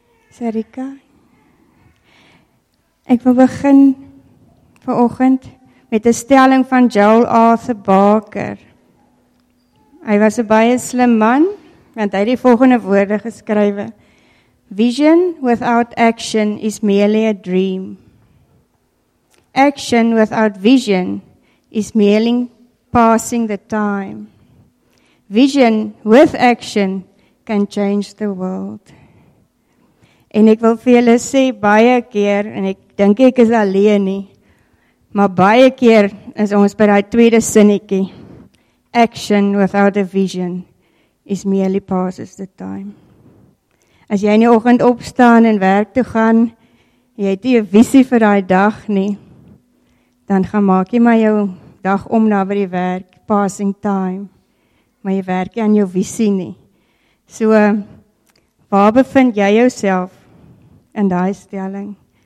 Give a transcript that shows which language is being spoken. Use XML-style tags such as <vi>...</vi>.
<af>Sarika, ek wil begin vanoggend met 'n stelling van Joel Arthur Barker. Hy was 'n baie slim man, want hy het die volgende woorde geskrywe:</af> <en>Vision without action is merely a dream. Action without vision is merely passing the time. Vision with action can change the world.</en> <af>En ek wil vir julle sê, baie keer, en ek dink ek is alleen nie, maar baie keer is ons by die tweede sinnetjie.</af> <en>Action without a vision is merely passes the time.</en> <af>As jy in die oggend opstaan en werk toe gaan, jy het nie 'n visie vir daai dag nie, dan gaan maak jy maar jou dag om na by die werk,</af> <en>passing time,</en> <af>maar jy werk nie aan jou visie nie. So, waar bevind jy jouself in daai stelling?</af>